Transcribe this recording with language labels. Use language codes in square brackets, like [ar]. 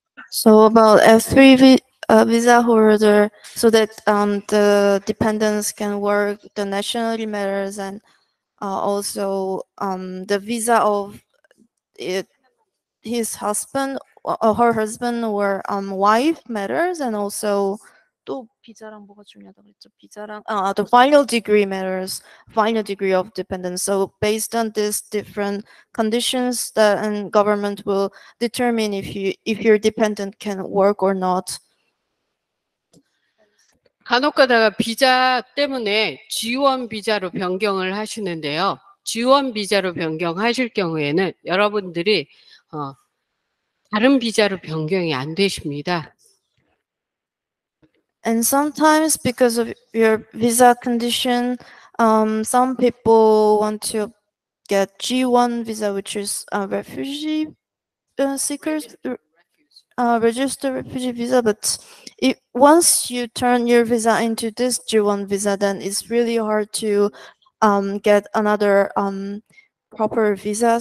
[en] So about F3 visa holder, so that the dependents can work, the nationality matters, and also the visa of his husband or her husband or wife matters, and also [ko] 또 비자랑 뭐가 중요하다고 했죠? 비자랑 [en] the final degree matters, final degree of dependence. So based on these different conditions, the government will determine if your dependent can work or not. [ko] 간혹가다가 비자 때문에 G1 비자로 변경을 하시는데요. G1 비자로 변경하실 경우에는 여러분들이 다른 비자로 변경이 안 되십니다. [en] And sometimes because of your visa condition, some people want to get G1 visa, which is a refugee seekers. Register refugee visa, but once you turn your visa into this G1 visa, then it's really hard to get another proper visa.